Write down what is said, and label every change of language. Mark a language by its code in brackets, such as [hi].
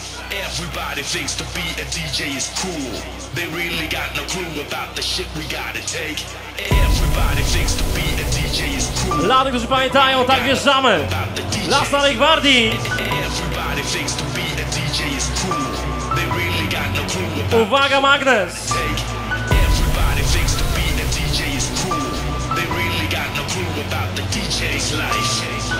[en] Everybody thinks to be a DJ is cool. They really got no clue about the shit we gotta take. Everybody thinks to be a DJ is cool. [pl] Dla tych, którzy pamiętają, tak wjeżdżamy. Dla starej gwardii. [en] Everybody thinks to be a DJ is cool. They really got no clue about. [pl] Uwaga, Magnes. [en] Everybody thinks to be a DJ is cool. They really got no clue about the DJ's life.